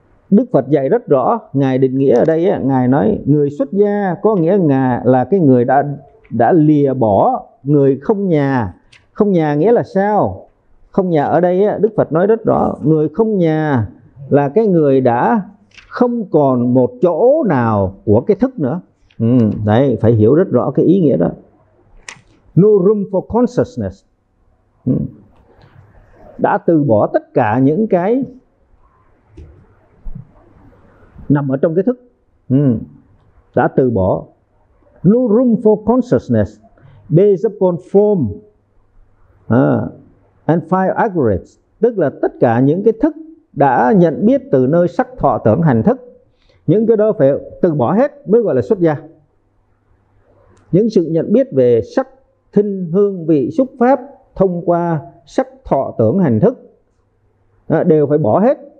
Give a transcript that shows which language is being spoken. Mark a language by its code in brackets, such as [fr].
[vi] Đức Phật dạy rất rõ, Ngài định nghĩa ở đây, Ngài nói người xuất gia có nghĩa Ngài là cái người đã lìa bỏ người không nhà. Không nhà nghĩa là sao? Không nhà ở đây Đức Phật nói rất rõ, người không nhà là cái người đã không còn một chỗ nào của cái thức nữa. Đấy, phải hiểu rất rõ cái ý nghĩa đó. [en] No room for consciousness. [vi] Đã từ bỏ tất cả những cái nằm ở trong cái thức. Đã từ bỏ. [en] No room for consciousness based upon form and five aggregates. [vi] Tức là tất cả những cái thức đã nhận biết từ nơi sắc thọ tưởng hành thức, những cái đó phải từ bỏ hết mới gọi là xuất gia. Những sự nhận biết về sắc thinh hương vị xúc pháp thông qua sắc thọ tưởng hành thức đều phải bỏ hết.